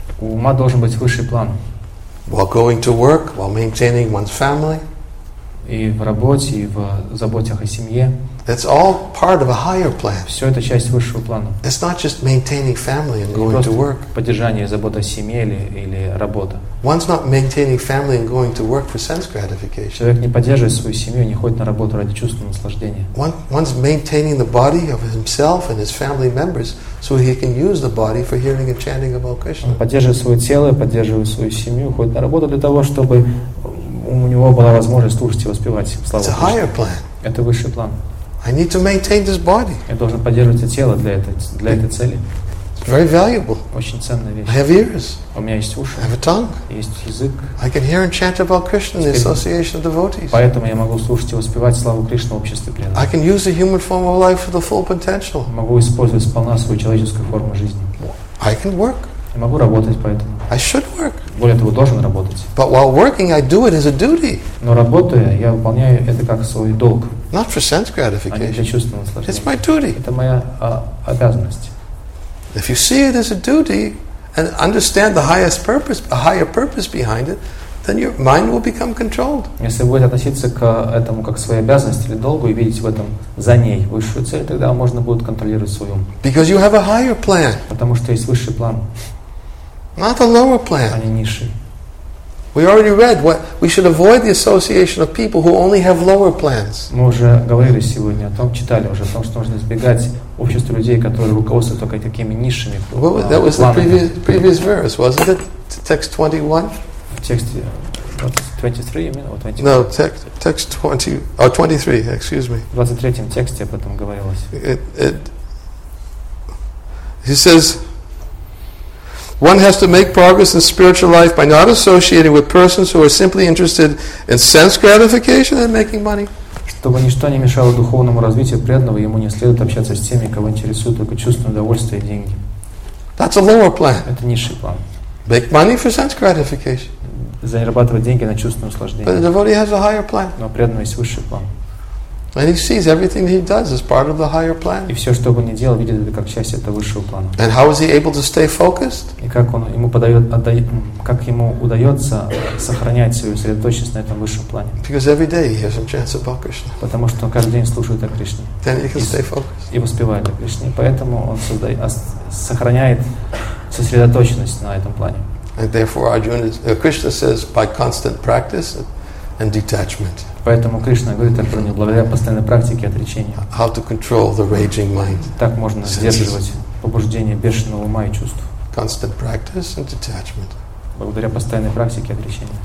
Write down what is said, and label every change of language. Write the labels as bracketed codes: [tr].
[ru] У ума должен быть высший план. [en] While going to work, while maintaining one's family. [ru] И в работе, и в заботах о семье. [en] That's all part of a higher plan. [ru] Все это часть высшего плана. [en] It's not just maintaining family and going to work. [ru] Поддержание и забота о семье или работа. [en] One's not maintaining family and going to work for sense gratification. [ru] Человек не поддерживает свою семью, не ходит на работу ради чувственного наслаждения. [en] One's maintaining the body of himself and his family members so he can use the body for hearing and chanting about Krishna. [ru] Он поддерживает свое тело, поддерживает свою семью, ходит на работу для того, чтобы у него была возможность слушать и воспевать слова. [en] It's a higher plan. [ru] Это высший план. [en] I need to maintain this body. [ru] Я должен поддерживать это тело для этой цели. [en] It's very valuable. [ru] Очень ценная вещь. [en] I have ears. [ru] У меня есть уши. [en] I have a tongue. [ru] Есть язык. [en] I can hear and chant about Krishna in the association of devotees. [ru] Поэтому я могу слушать и воспевать славу Кришны в обществе преданных. [en] I can use the human form of life for the full potential. [ru] Могу использовать сполна свою человеческую форму жизни. [en] I can work. [ru] Я могу работать поэтому. [en] I should work. [ru] Более того, должен работать. [en] But while working, I do it as a duty. [ru] Но работая, я выполняю это как свой долг. [en] Not for sense gratification. [ru] А не для чувственного наслаждения. [en] It's my duty. [ru] Это моя обязанность. [en] If you see it as a duty and understand the highest purpose, a higher purpose behind it, then your mind will become controlled. [ru] Если вы будете относиться к этому как к своей обязанности или долгу и видеть в этом за ней высшую цель, тогда можно будет контролировать свой ум. [en] Because you have a higher plan. [ru] Потому что есть высший план. [en] Not a lower plan. [ru] А не низший. [en] We already read what we should avoid the association of people who only have lower plans. [ru] Мы уже говорили сегодня о том, читали уже о том, что нужно избегать общества людей, которые руководствуются только такими низшими планами. [en] Well, that was the previous verse, wasn't it? Text 21? Text 23, I mean, or 24? No, text 20, or 23, excuse me. [ru] В 23-м тексте об этом говорилось. [en] He says, one has to make progress in spiritual life by not associating with persons who are simply interested in sense gratification and making money. [ru] Чтобы ничто не мешало духовному развитию преданного, ему не следует общаться с теми, кого интересуют только чувственное удовольствие и деньги. [en] That's a lower plan. [ru] Это низший план. [en] Make money for sense gratification. [ru] Зарабатывать деньги на чувственное услаждение. [en] But the devotee has a higher plan. [ru] Но преданный есть высший план. [en] And he sees everything he does as part of the higher plan. [ru] И все, что бы ни делал, видит это как часть этого высшего плана. [en] And how is he able to stay focused? [ru] И как он ему подает, как ему удается сохранять свою сосредоточенность на этом высшем плане? [en] Because every day he has a chance of Bhakrishna. [ru] Потому что он каждый день слушает о Кришне. [en] Then he can stay focused. [ru] И воспевает о Кришне, поэтому он сохраняет сосредоточенность на этом плане. [en] And therefore, Krishna says, by constant practice and detachment. [ru] Поэтому Кришна говорит Арджуне, благодаря постоянной практике и отречению. [en] How to control the raging mind? [ru] Так можно сдерживать побуждение бешеного ума и чувств. [en] Constant practice and detachment. [ru] Благодаря постоянной практике и отречению.